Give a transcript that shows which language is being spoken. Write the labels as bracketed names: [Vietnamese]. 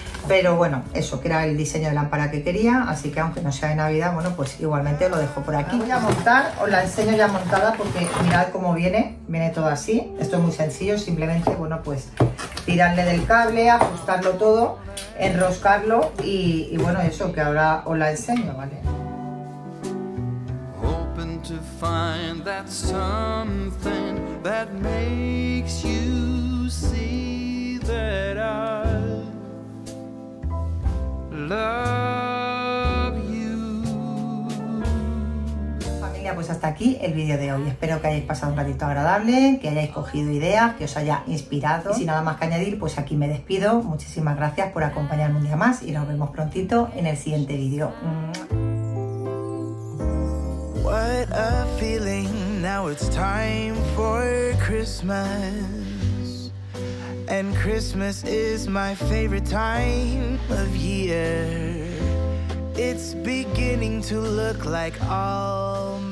[Spanish] Pero bueno, eso, que era el diseño de lámpara que quería, así que aunque no sea de Navidad, bueno, pues igualmente os lo dejo por aquí. Voy a montar, os la enseño ya montada, porque mirad cómo viene, viene todo así. Esto es muy sencillo, simplemente, bueno, pues tirarle del cable, ajustarlo todo, enroscarlo y bueno, eso, que ahora os la enseño, ¿vale? [English] Hoping to find that something that makes you see that I love you. [Spanish] Familia, pues hasta aquí el vídeo de hoy. Espero que hayáis pasado un ratito agradable, que hayáis cogido ideas, que os haya inspirado. Y sin nada más que añadir, pues aquí me despido. Muchísimas gracias por acompañarme un día más y nos vemos prontito en el siguiente vídeo. [English] What a feeling, now it's time for Christmas. And Christmas is my favorite time of year. It's beginning to look like all